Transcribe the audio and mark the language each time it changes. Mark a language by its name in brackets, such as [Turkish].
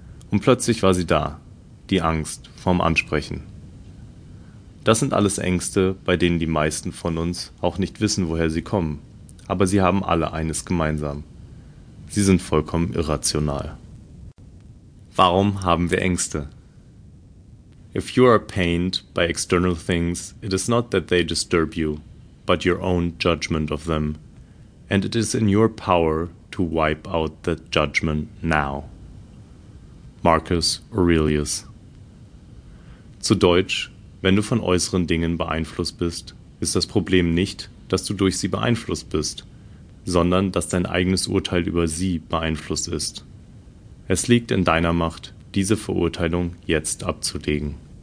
[German] Und plötzlich war sie da, die Angst vorm Ansprechen. Das sind alles Ängste, bei denen die meisten von uns auch nicht wissen, woher sie kommen. Aber sie haben alle eines gemeinsam. Sie sind vollkommen irrational. Warum haben wir Ängste? [English] If you are pained by external things, it is not that they disturb you, but your own judgment of them. And it is in your power to wipe out that judgment now. Marcus Aurelius. [German] Zu Deutsch: Wenn du von äußeren Dingen beeinflusst bist, ist das Problem nicht, dass du durch sie beeinflusst bist, sondern dass dein eigenes Urteil über sie beeinflusst ist. Es liegt in deiner Macht, diese Verurteilung jetzt abzulegen.